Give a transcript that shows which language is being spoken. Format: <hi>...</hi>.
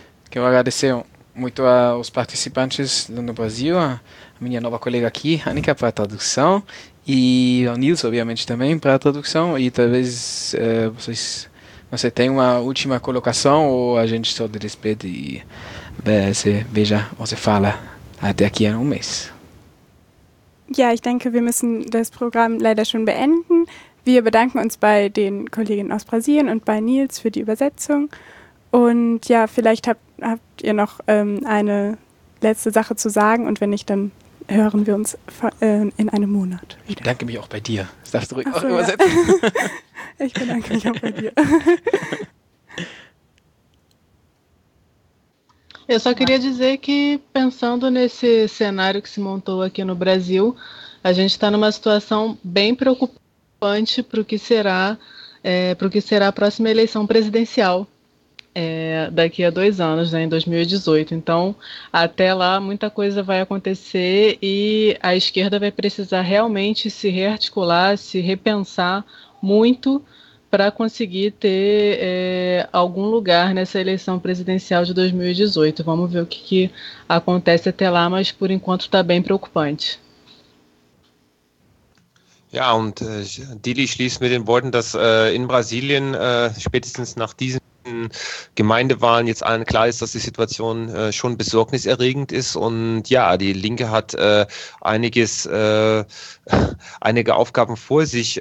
<pt>Quero agradecer muito aos participantes do Brasil, a minha nova colega aqui, Annika, para a tradução, e ao Nilson, obviamente, também para a tradução. E talvez você tenha uma última colocação ou a gente só de despede e você veja, você fala até aqui em um mês.</pt> <de>Ja, ich denke, wir müssen das Programm leider schon beenden. Wir bedanken uns bei den Kolleginnen aus Brasilien und bei Nils für die Übersetzung. Und ja, vielleicht habt ihr noch eine letzte Sache zu sagen. Und wenn nicht, dann hören wir uns in einem Monat wieder. Ich bedanke mich auch bei dir. Das darfst du ruhig auch übersetzen. Ja. Ich bedanke mich auch bei dir.</de> <pt>Eu só queria dizer que, pensando nesse cenário que se montou aqui no Brasil, a gente está numa situação bem preocupante para o que será a próxima eleição presidencial daqui a 2 anos, né, em 2018. Então, até lá, muita coisa vai acontecer e a esquerda vai precisar realmente se rearticular, se repensar muito para conseguir ter algum lugar nessa eleição presidencial de 2018. Vamos ver o que acontece até lá, mas por enquanto está bem preocupante.</pt> <de>Ja, und Dili schließt mit den Worten, dass in Brasilien spätestens nach diesen Gemeindewahlen jetzt allen klar ist, dass die Situation schon besorgniserregend ist. Und ja, die Linke hat einige Aufgaben vor sich.</de>